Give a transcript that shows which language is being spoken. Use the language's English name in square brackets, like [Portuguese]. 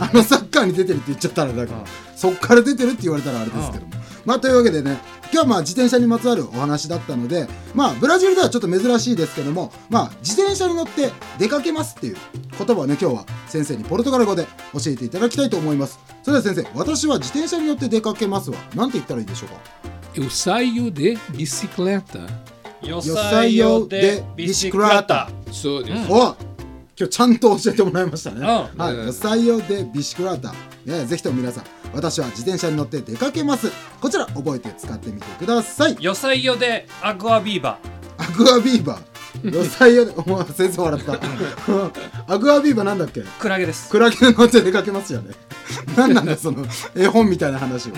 [Japanese] ね、あのサッカーに出てるって言っちゃったらだから、うん、そっから出てるって言われたらあれですけども、うん、まあ、というわけでね、今日はまあ自転車にまつわるお話だったので、まあ、ブラジルではちょっと珍しいですけども、まあ、自転車に乗って出かけますっていう言葉をね、今日は先生にポルトガル語で教えていただきたいと思います。それでは先生、私は自転車に乗って出かけますは、なんて言ったらいいでしょうか。 [Portuguese] Eu saio de bicicleta. Eu saio de bicicleta. [Japanese] そうです。お、今日ちゃんと教えてもらいましたね。 [Portuguese] はい、Eu saio de bicicleta. [Japanese] ね、ぜひとも皆さん、私は自転車に乗って出かけます。こちら覚えて使ってみてください。 [Portuguese] よさよでアグアビーバー。アグアビーバー。 [Japanese] よさよで、お前先生笑った。アグアビーバーなんだっけ？クラゲです。クラゲに乗って出かけますよね。なんなんだその絵本みたいな話は。